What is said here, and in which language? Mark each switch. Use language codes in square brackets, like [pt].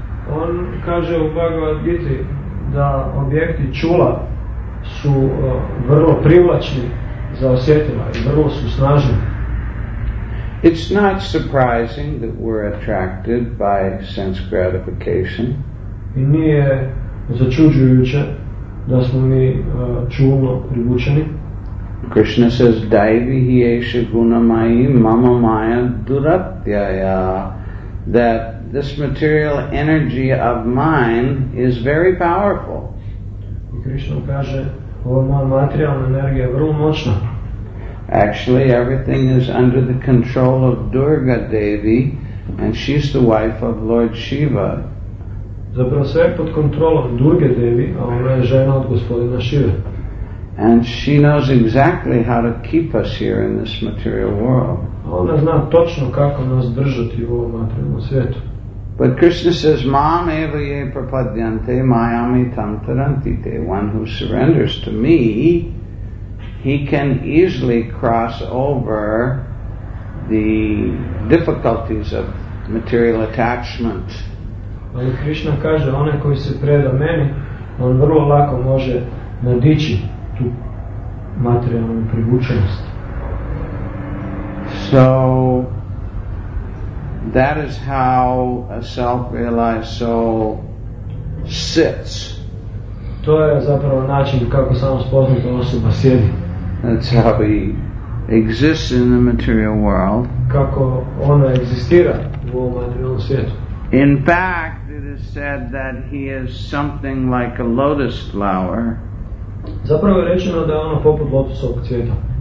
[hr] On kaže u Bhagavad Gita da objekti čula su vrlo privlačni za osjetila i vrlo su snažni. [en] It's not surprising that we're attracted by sense gratification. [hr] I nije začuđujuće da smo mi čulno privučeni. [en] Krishna says, [sa] Daivi hi esha gunamayi mama maya duratyaya, [en] that this material energy of mine is very powerful. [hr] I Krishna kaže, ova moja materijalna energija je vrlo moćna. [en] Actually, everything is under the control of Durga Devi, and she's the wife of Lord Shiva. [hr] Zapravo sve pod kontrolom Durga Devi, a ona je žena od gospodina Shiva. [en] And she knows exactly how to keep us here in this material world. [hr] Ona zna točno kako nas držati u ovom materijalnom svijetu. [en] But Krishna says, [sa] Mam eva ye prapadyante mayami tam tarantite. [en] One who surrenders to me, he can easily cross over the difficulties of material attachment. [hr] Ali Krishna kaže, onaj koji se preda meni, on vrlo lako može nadići tu materijalnu privučenost. [en] So that is how a self-realized soul sits. [hr] To je zapravo način kako samospoznata osoba sjedi. [en] That's how he exists in the material world. [hr] Kako ona egzistira u ovom materijalnom svijetu. [en] In fact, it is said that he is something like a lotus flower. [hr] Zapravo je rečeno da je ono poput lotusovog cvijeta.